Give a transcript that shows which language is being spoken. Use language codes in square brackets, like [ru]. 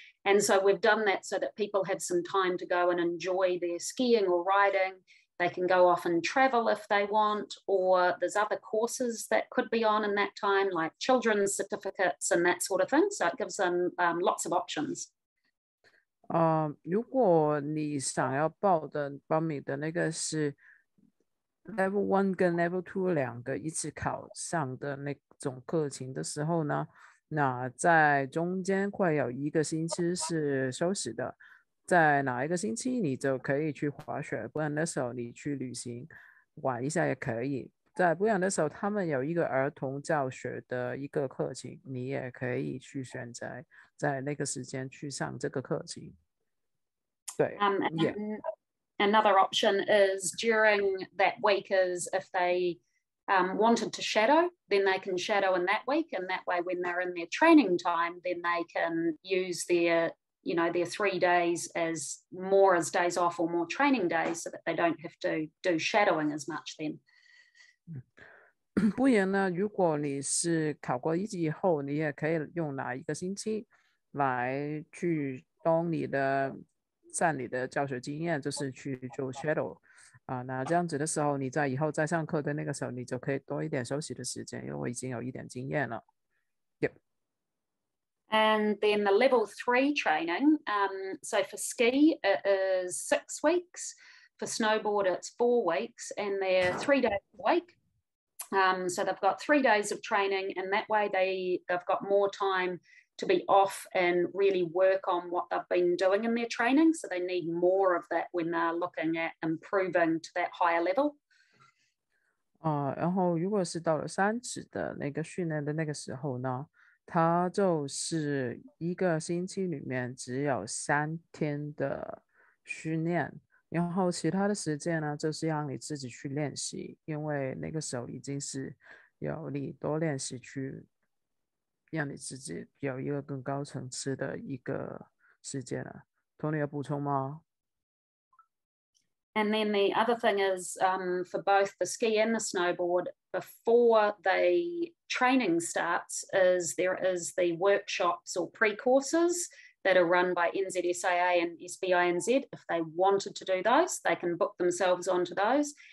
[en] And so we've done that so that people have some time to go and enjoy their skiing or riding. They can go off and travel if they want, or there's other courses that could be on in that time, like children's certificates and that sort of thing. So it gives them lots of options. [zh] 如果你想要报的报名的那个是 Level 1跟 Level 2两个一起考上的那种课程的时候呢，那在中间快有一个星期是休息的，在哪一个星期你就可以去滑雪，不然的时候你去旅行玩一下也可以。在不然的时候他们有一个儿童教学的一个课程，你也可以去选择在那个时间去上这个课程。对。 [en] Another option is during that week is if they wanted to shadow, then they can shadow in that week, and that way when they're in their training time, then they can use their, you know, their 3 days as more as days off or more training days so that they don't have to do shadowing as much then. [zh] 不然呢，如果你是考过一级以后，你也可以用哪一个星期来去当你的占你的教学经验，就是去做 shadow 啊。那这样子的时候，你在以后再上课的那个时候，你就可以多一点休息的时间，因为已经有一点经验了。 [en] Yep. And then the level three training. So for ski, it is 6 weeks. For snowboard, it's 4 weeks, and they're 3 days a week. So they've got 3 days of training, and that way they've got more time to be off and really work on what they've been doing in their training. So they need more of that when they're looking at improving to that higher level. [zh] 然后如果是到了三级的那个训练的那个时候呢，他就是一个星期里面只有3天的训练。然后其他的时间呢，就是让你自己去练习，因为那个时候已经是有你多练习去让你自己有一个更高层次的一个时间了。 Tony 要补充吗？ [en] And then the other thing is, for both the ski and the snowboard, before the training starts, is there is the workshops or pre-courses. That are run by NZSIA and SBINZ. If they wanted to do those, they can book themselves onto those.